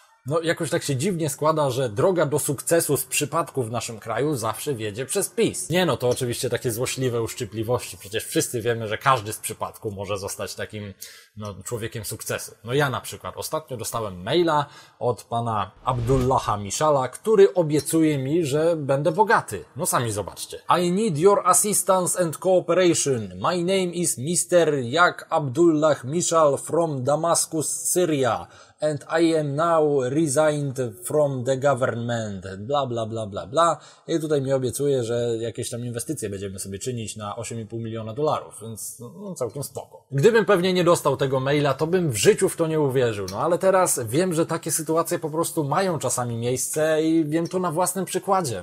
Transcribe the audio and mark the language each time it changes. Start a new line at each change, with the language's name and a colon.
Polish: No, jakoś tak się dziwnie składa, że droga do sukcesu z przypadku w naszym kraju zawsze wiedzie przez PiS. Nie no, to oczywiście takie złośliwe uszczypliwości. Przecież wszyscy wiemy, że każdy z przypadku może zostać takim, no, człowiekiem sukcesu. No ja na przykład ostatnio dostałem maila od pana Abdullaha Miszala, który obiecuje mi, że będę bogaty. No sami zobaczcie.
English: I need your assistance and cooperation. My name is Mr. Jak Abdullah Mishal from Damascus, Syria. And I am now resigned from the government. Bla, bla, bla, bla, bla.
Polish: I tutaj mi obiecuje, że jakieś tam inwestycje będziemy sobie czynić na 8,5 miliona dolarów. Więc no, całkiem spoko. Gdybym pewnie nie dostał tego maila, to bym w życiu w to nie uwierzył. No ale teraz wiem, że takie sytuacje po prostu mają czasami miejsce i wiem to na własnym przykładzie.